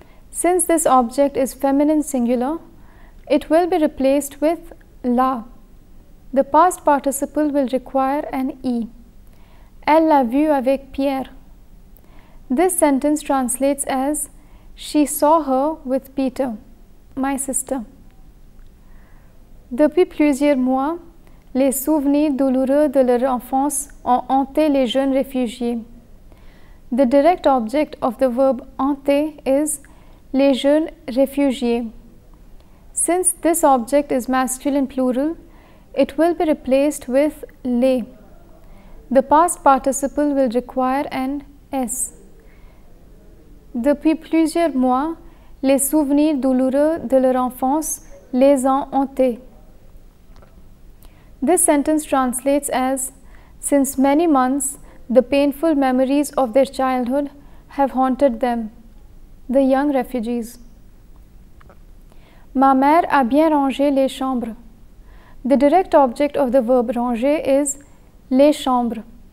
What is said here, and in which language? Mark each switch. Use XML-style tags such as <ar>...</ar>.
<en>Since this object is feminine singular, it will be replaced with la. The past participle will require an E.</en> <fr>Elle l'a vu avec Pierre.</fr> <en>This sentence translates as she saw her with Peter, my sister.</en> <fr>Depuis plusieurs mois, les souvenirs douloureux de leur enfance ont hanté les jeunes réfugiés.</fr> <en>The direct object of the verb hanter is</en> <fr>les jeunes réfugiés.</fr> <en>Since this object is masculine plural, it will be replaced with les. The past participle will require an S.</en> <fr>Depuis plusieurs mois, les souvenirs douloureux de leur enfance les ont hantés.</fr> <en>This sentence translates as, since many months, the painful memories of their childhood have haunted them, the young refugees.</en> <fr>Ma mère a bien rangé les chambres.</fr> <en>The direct object of the verb ranger is les chambres.</en>